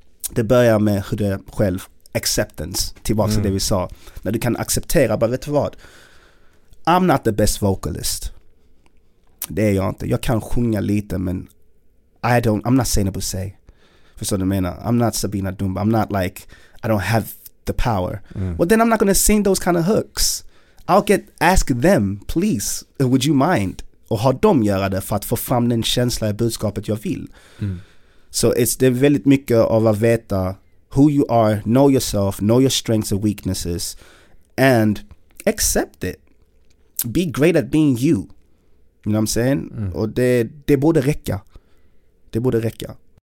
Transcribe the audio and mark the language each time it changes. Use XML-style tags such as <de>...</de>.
<sv>Det börjar med hur du själv, acceptance, tillbaka till det vi sa. När du kan acceptera, bara vet du vad,</sv> <en>I'm not the best vocalist.</en> <sv>Det är jag inte. Jag kan sjunga lite, men</sv> <en>I'm not saying to say.</en> <sv>Förstår du vad jag menar?</sv> <en>I'm not Sabina Dumba. I'm not like, I don't have the power. Well then I'm not going to sing those kind of hooks. I'll get, ask them, please, would you mind?</en> <sv>Och ha dem göra det för att få fram den känsla i budskapet jag vill. Så det är väldigt mycket av att veta</sv> <en>who you are, know yourself, know your strengths and weaknesses, and accept it. Be great at being you. You know what I'm saying?</en> <sv>Och det borde räcka. Det borde räcka.</sv>